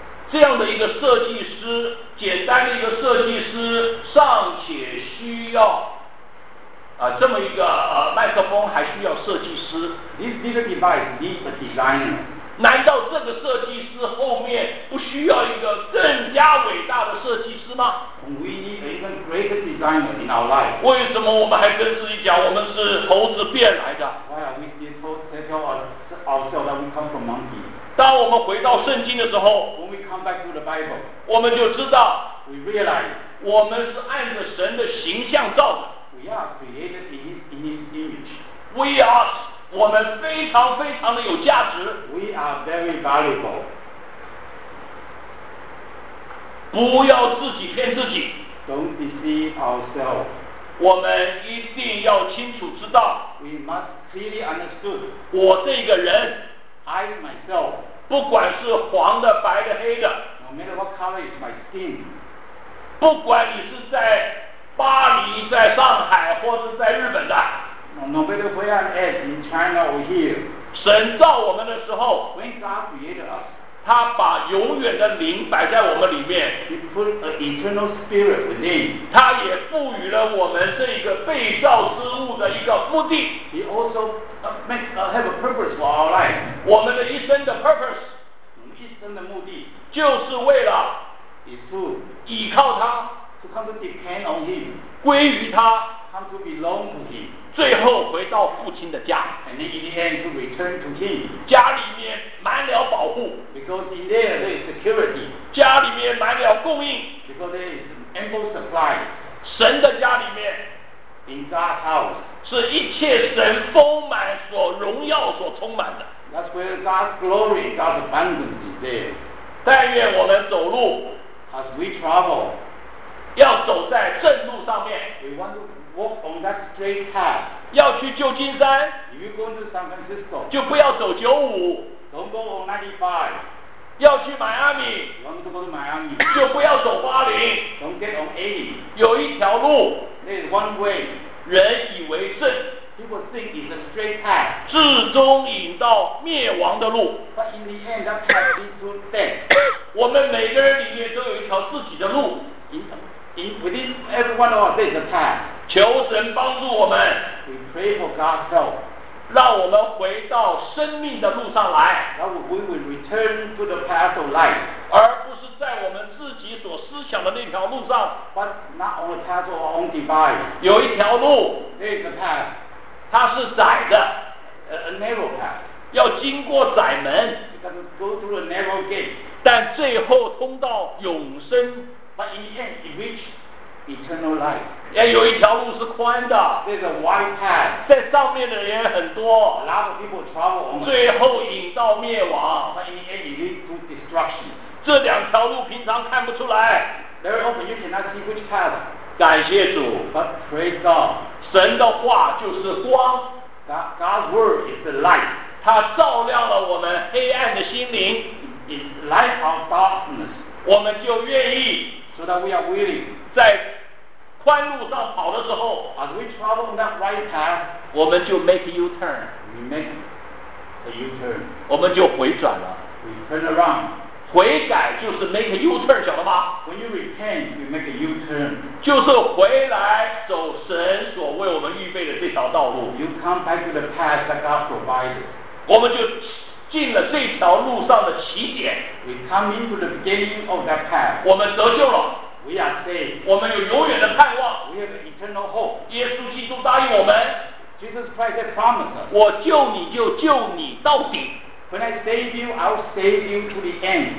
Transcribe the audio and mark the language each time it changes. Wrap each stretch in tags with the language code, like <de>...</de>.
<zh>这样的一个设计师，简单的一个设计师尚且需要这么一个麦克风还需要设计师。</zh> <en>This little device needs a designer.</en> <zh>难道这个设计师后面不需要一个更加伟大的设计师吗？</zh> <en>We need an even greater designer in our life.</en> <zh>为什么我们还跟自己讲我们是猴子变来的？</zh> <en>Why are we still telling ourselves that we come from monkey?</en> <zh>当我们回到圣经的时候，</zh> <en>When we come back to the Bible,</en> <zh>我们就知道，</zh> <en>We realize</en> <zh>我们是按着神的形象造的。</zh> <en>We are created in his image. We are</en> <zh>我们非常非常的有价值。</zh> <en>We are very valuable.</en> <zh>不要自己骗自己。</zh> <en>Don't deceive ourselves.</en> <zh>我们一定要清楚知道。</zh> <en>We must clearly understand.</en> <zh>我这个人，</zh> <en>I myself,</en> <zh>不管是黄的白的黑的，</zh> <en>No matter what color is my skin,</en> <zh>不管你是在巴黎在上海或是在日本的，</zh> <en>No matter where I am, in China or here,</en> <zh>神造我们的时候，</zh> <en>when God created us,</en> <zh>他把永远的灵摆在我们里面，</zh> <en>He put an eternal spirit within.</en> <zh>他也赋予了我们这一个被造之物的一个目的。</zh> <en>He also have a purpose for our life.</en> <zh>我们的一生的 purpose, 一生的目的就是为了</zh> <en>is to</en> <zh>依靠他，</zh> <en>to come to depend on him,</en> <zh>归于他，</zh> <en>come to belong to him.</en> <zh>最后回到父亲的家，</zh> <en>and in the end to return to him.</en> <zh>家里面满了保护，</zh> <en>because in there there is security.</en> <zh>家里面满了供应，</zh> <en>because there is ample supply.</en> <zh>神的家里面，</zh> <en>in God's house,</en> <zh>是一切神丰满所荣耀所充满的。</zh> <en>That's where God's glory, God's abundance is there.</en> <zh>但愿我们走路，</zh> <en>as we travel,</en> <zh>要走在正路上面，</zh> <en>we want to walk on that straight path.</en> <zh>要去旧金山，</zh> <en>if you go to San Francisco,</en> <zh>就不要走95，</zh> <en>don't go on 95.</en> <zh>要去迈阿密，</zh> <en>you want to go to Miami,</en> <zh>就不要走80，</zh> <en>don't get on 80.</en> <zh>有一条路，</zh> <en>there is one way.</en> <zh>人以为是，</zh> <en>people think it's a straight path,</en> <zh>至终引到灭亡的路，</zh> <en>but in the end that path leads to death.</en> <zh>我们每个人里面都有一条自己的路，</zh> <en>within every one of us there is a path.</en> <zh>求神帮助我们，</zh> <en>We pray for God's help.</en> <zh>让我们回到生命的路上来，</zh> <en>That we will return to the path of life.</en> <zh>而不是在我们自己所思想的那条路上，</zh> <en>But not on the path of our own device.</en> <zh>有一条路，</zh> <en>There is a path.</en> <zh>它是窄的，</zh> <en>A narrow path.</en> <zh>要经过窄门，</zh> <en>You have to go through a narrow gate.</en> <zh>但最后通到永生，</zh> <en>But in the end, it reachesEternal life.</en> <zh>也有一条路是宽的，</zh> <en>There's a wide path.</en> <zh>在上面的人很多，</zh> <en>A lot of people travel on.</en> <zh>最后引到灭亡，</zh> <en>But in the end it leads to destruction.</en> <zh>这两条路平常看不出来，</zh> <en>Very often you cannot see which path.</en> <zh>感谢主，</zh> <en>But praise God.</en> <zh>神的话就是光，</zh> <en>God's word is the light.</en> <zh>它照亮了我们黑暗的心灵。</zh> <en>In light of darkness，</en> <zh>我们就愿意。</zh> <en>So that we are willing，</en> <zh>在宽路上跑的时候</zh> <en>，As we travel on that right path，</en> <zh>我们就</zh> <en>make a U-turn。 We make a U-turn，</en> <zh>我们就回转了。</zh> <en>We turn around。</en> <zh>悔改就是</zh> <en>make a U-turn，</en> <zh>晓得吗</zh> <en>？When you repent, you make a U-turn，</en> <zh>就是回来走神所为我们预备的这条道路。</zh> <en>You come back to the path that God provided，</en> <zh>我们就进了这条路上的起点。</zh> <en>We come into the beginning of that path，</en> <zh>我们得救了。</zh> <en>We are saved，</en> <zh>我们有永远的盼望。</zh> <en>We have eternal hope，</en> <zh>耶稣基督答应我们。</zh> <en>Jesus Christ has promised，</en> <zh>我救你就救你到底。</zh> <en>When I save you, I'll save you to the end.</en>